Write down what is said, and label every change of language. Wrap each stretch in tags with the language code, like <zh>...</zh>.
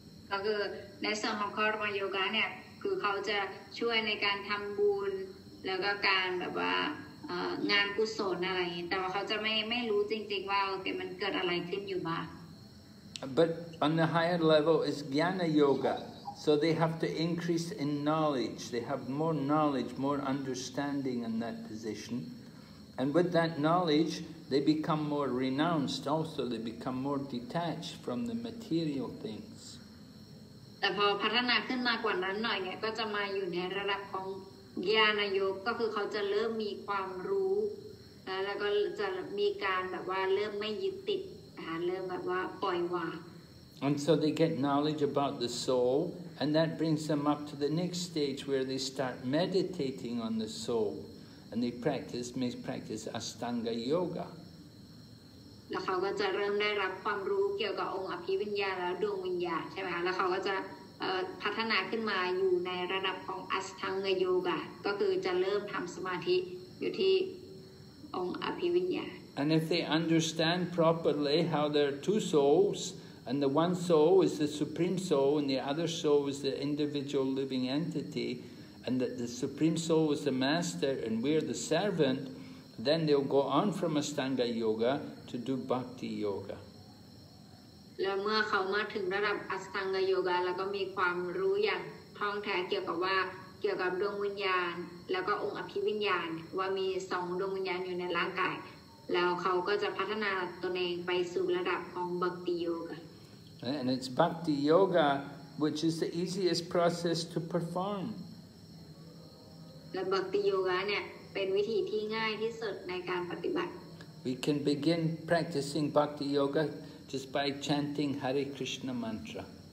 <th>ก็คือในส่วนของคาร์มาโยกะเนี่ยคือเขาจะช่วยในการทำบุญแล้วก็การแบบว่างานกุศลอะไรแต่ว่าเขาจะไม่รู้จริงๆว่าโอเคมันเกิดอะไรขึ้นอยู่บ้าง</th> <en>But on the higher level is Gyana Yoga so they have to increase in knowledge they have more knowledge more understanding in that position and with that knowledge they become more renounced also they become more detached from the material things</en> <th>แต่พอพัฒนาขึ้นมากว่านั้นหน่อยเนี่ยก็จะมาอยู่ในระดับของญาณโยกก็คือเขาจะเริ่มมีความรู้แล้วก็จะมีการแบบว่าเริ่มไม่ยึดติดเริ่มแบบว่าปล่อยวาง</th> <en>And so they get knowledge about the soul and that brings them up to the next stage where they start meditating on the soul and they practice Ashtanga Yoga</en> <th>แล้วเขาก็จะเริ่มได้รับความรู้เกี่ยวกับองค์อภิวิญญาณและดวงวิญญาณใช่ไหมคะแล้วเขาก็จะพัฒนาขึ้นมาอยู่ในระดับของอัสทังยโยกะก็คือจะเริ่มทำสมาธิอยู่ที่องค์อภิวิญญา</th> <en>And if they understand properly how there are two souls and the one soul is the supreme soul and the other soul is the individual living entity and that the supreme soul is the master and we are the servant then they'll go on from Ashtanga Yoga to do Bhakti Yoga.</en> <th>แล้วเมื่อเขามาถึงระดับอัสทังกโยกะแล้วก็มีความรู้อย่างท่องแท้เกี่ยวกับว่าเกี่ยวกับดวงวิญญาณแล้วก็องค์อภิวิญญาณว่ามีสองดวงวิญญาณอยู่ในร่างกายแล้วเขาก็จะพัฒนาตนเองไปสู่ระดับของบักติโยกะ</th> <en>And it's bhakti yoga, which is the easiest process to perform. We can begin practicing bhakti yoga just by chanting Hare Krishna mantra.</en>